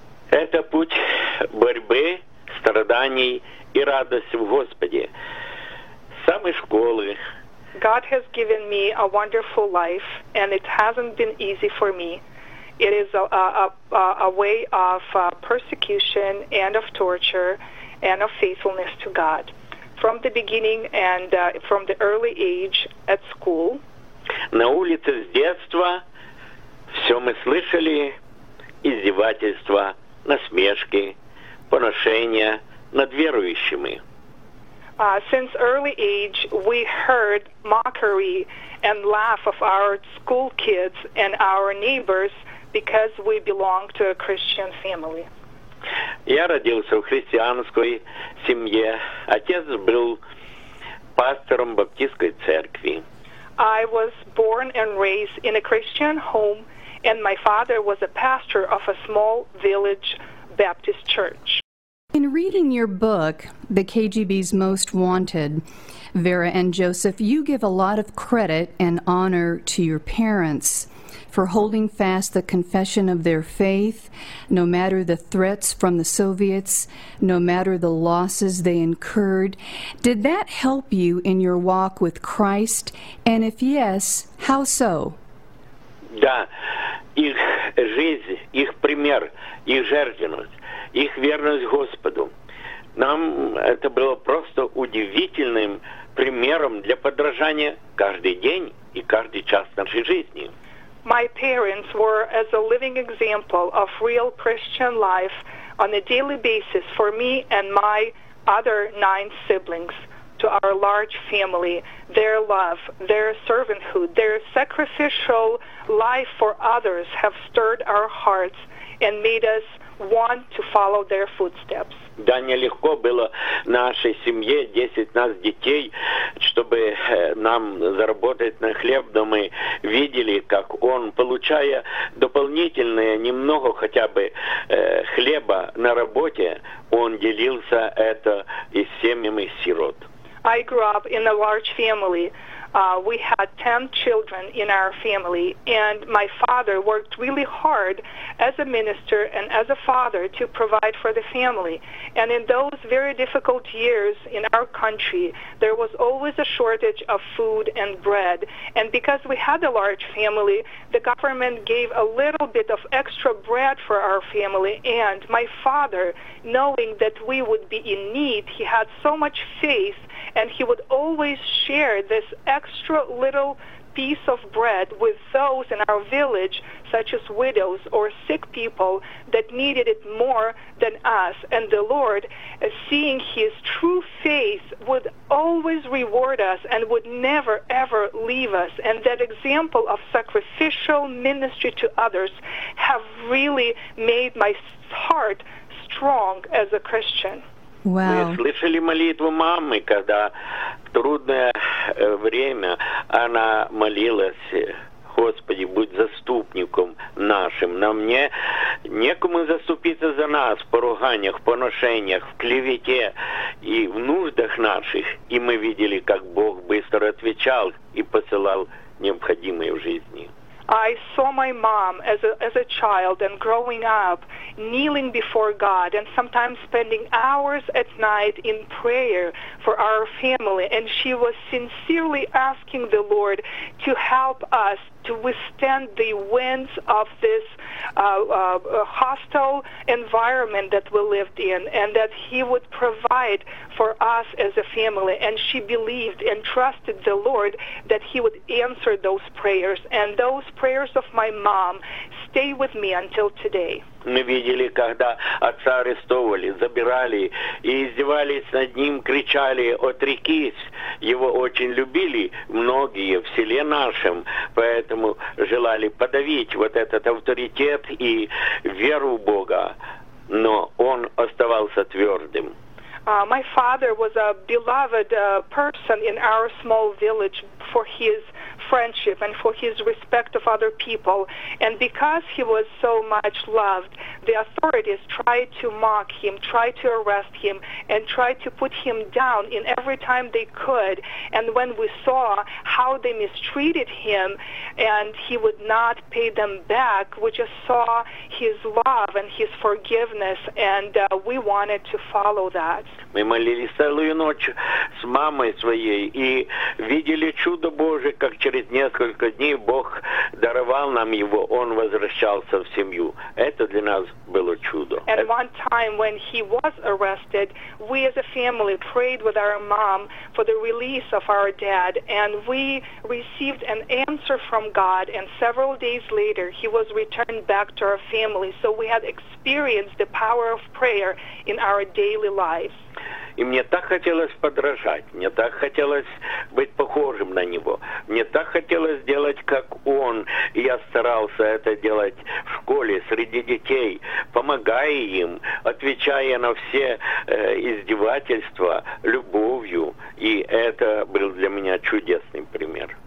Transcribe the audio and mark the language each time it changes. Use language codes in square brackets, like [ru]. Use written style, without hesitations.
[ru] Это путь борьбы, страданий и радости в Господе. Самой школы. [en] God has given me a wonderful life, and it hasn't been easy for me. It is a way of persecution and of torture and of faithfulness to God. From the beginning and from the early age at school. [ru] На улице с детства все мы слышали издевательства, насмешки, поношения над верующими. [en] Since early age, we heard mockery and laugh of our school kids and our neighbors because we belong to a Christian family. [ru] Я родился в христианской семье. Отец был пастором баптистской церкви. [en] I was born and raised in a Christian home, and my father was a pastor of a small village Baptist church. In reading your book, The KGB's Most Wanted, Vera and Joseph, you give a lot of credit and honor to your parents for holding fast the confession of their faith, no matter the threats from the Soviets, no matter the losses they incurred. Did that help you in your walk with Christ? And if yes, how so? [ru] Да, их жизнь, их пример, их жертвенность. Их верность Господу. Нам это было просто удивительным примером для подражания каждый день и каждый час нашей жизни. [en] My parents were as a living example of real Christian life on a daily basis for me and my other nine siblings, to our large family, their love, their servanthood, their sacrificial life for others have stirred our hearts and made us want to follow their footsteps. [ru] Да, нелегко было нашей семье, 10 нас детей, чтобы нам заработать на хлеб, но мы видели, как он, получая дополнительное, немного хотя бы хлеба на работе, он делился это и с семьями сирот. [en] I grew up in a large family. We had 10 children in our family, and my father worked really hard as a minister and as a father to provide for the family. And in those very difficult years in our country, there was always a shortage of food and bread. And because we had a large family, the government gave a little bit of extra bread for our family. And my father, knowing that we would be in need, he had so much faith, and he would always share this extra little piece of bread with those in our village, such as widows or sick people that needed it more than us. And the Lord, seeing his true faith, would always reward us and would never ever leave us. And that example of sacrificial ministry to others have really made my heart strong as a Christian. Wow. [ru] Мы слышали молитву мамы, когда в трудное время она молилась: «Господи, будь заступником нашим, нам не, некому заступиться за нас в поруганиях, в поношениях, в клевете и в нуждах наших». И мы видели, как Бог быстро отвечал и посылал необходимое в жизни. [en] I saw my mom as a child and growing up kneeling before God and sometimes spending hours at night in prayer for our family, and she was sincerely asking the Lord to help us to withstand the winds of this hostile environment that we lived in, and that he would provide for us as a family. And she believed and trusted the Lord that he would answer those prayers, and those prayers of my mom stay with me until today. [ru] Мы видели, когда отца арестовывали, забирали и издевались над ним, кричали: «Отрекись!» Его очень любили многие в селе нашем, поэтому желали подавить вот этот авторитет и веру в Бога, но он оставался твердым. [en] My father was a beloved person in our small village for his friendship and for his respect of other people. And because he was so much loved, the authorities tried to mock him, tried to arrest him, and tried to put him down in every time they could. And when we saw how they mistreated him and he would not pay them back, we just saw his love and his forgiveness, and we wanted to follow that. [ru] Мы молились целую ночь с мамой своей и видели чудо Божие, как через несколько дней Бог даровал нам его, он возвращался в семью. Это для нас было чудо. [en] And one time when he was arrested, we as a family prayed with our mom for the release of our dad, and we received an answer from God, and several days later he was returned back to our family. So we had experienced the power of prayer in our daily lives. [ru] И мне так хотелось подражать, мне так хотелось быть похожим на него, мне так хотелось делать, как он, и я старался это делать в школе, среди детей, помогая им, отвечая на все издевательства любовью, и это был для меня чудесный пример.